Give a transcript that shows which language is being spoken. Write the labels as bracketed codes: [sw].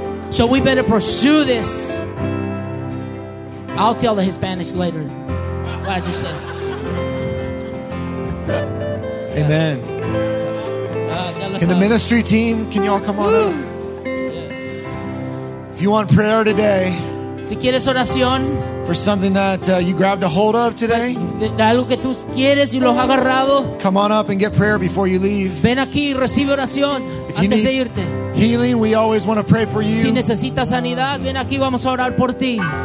[en] So we better pursue this. I'll tell the Hispanics later what I just said. Amen. Can the ministry team, can y'all come on up? If you want prayer today, [es] si quieres oración, [en] for something that you grabbed a hold of today, [es] de algo que tú quieres y lo has agarrado, [en] come on up and get prayer before you leave. [es] Ven aquí y recibe oración [en] if you [es] antes [en] need [es] de irte. [en] Healing, we always want to pray for you. [es] Si necesitas sanidad, ven aquí, vamos a orar por ti.